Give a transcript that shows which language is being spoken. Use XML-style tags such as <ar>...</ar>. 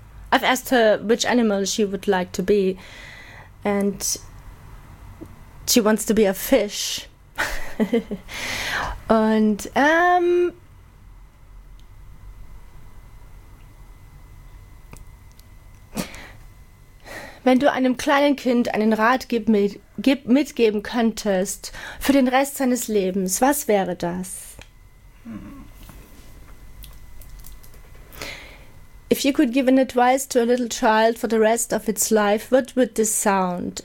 <en>I've asked her which animal she would like to be. And she wants to be a fish.</en> <de>Und wenn du einem kleinen Kind einen Rat mitgeben könntest für den Rest seines Lebens, was wäre das?</de> <en>If you could give an advice to a little child for the rest of its life, what would this sound?</en>